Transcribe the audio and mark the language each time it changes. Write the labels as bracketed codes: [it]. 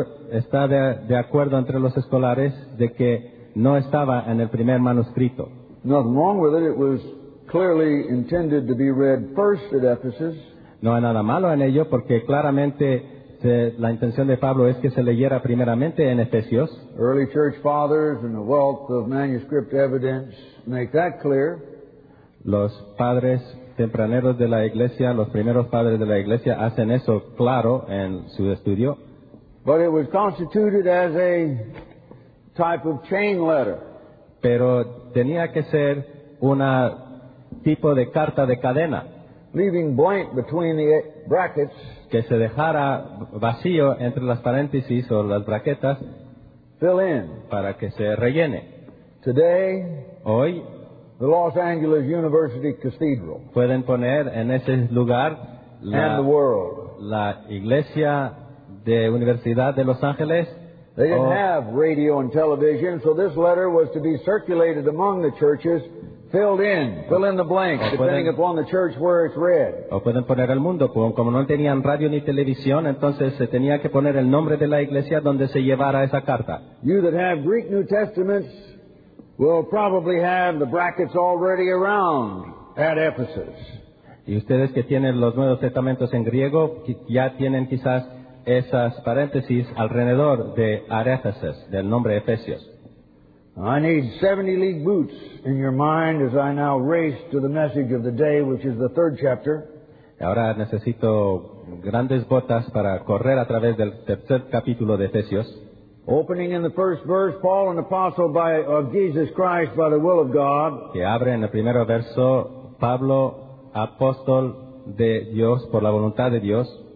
[es] Está de acuerdo entre los escolares de que no estaba en el primer manuscrito. [en] Nothing wrong with it. It was clearly intended to be read first at Ephesus. [es] No hay nada malo en ello porque claramente la intención de Pablo es que se leyera primeramente en Efesios. [en] Early church fathers and a wealth of manuscript evidence make that clear. [es] Los padres tempraneros de la iglesia, los primeros padres de la iglesia hacen eso claro en su estudio. [en] But it was constituted as a type of chain letter. [es] Pero tenía que ser una tipo de carta de cadena. [en] Leaving blank between the brackets. [es] Que se dejara vacío entre las paréntesis o las braquetas. [en] Fill in. [es] Para que se rellene. [en] Today. [es] Hoy. [en] The Los Angeles University Cathedral. [es] Pueden poner en ese lugar. [en] And the world. [es] La iglesia de Universidad de Los Ángeles. [en] They didn't have radio and television, so this letter was to be circulated among the churches. Fill in the blanks, depending upon the church where it's read. [es] O pueden poner el mundo. Como no tenían radio ni televisión, entonces se tenía que poner el nombre de la iglesia donde se llevara esa carta. [en] You that have Greek New Testaments will probably have the brackets already around at Ephesus. [es] Y ustedes que tienen los Nuevos Testamentos en griego, ya tienen quizás esas paréntesis alrededor de Éfesis, del nombre Efesios. [en] I need 70 league boots in your mind as I now race to the message of the day, which is the third chapter. [es] Ahora necesito grandes botas para correr a través del tercer capítulo de Efesios. [en] Opening in the first verse, Paul, an apostle of Jesus Christ by the will of God. [es] Que abre en el primer verso, Pablo, apóstol de Dios por la voluntad de Dios.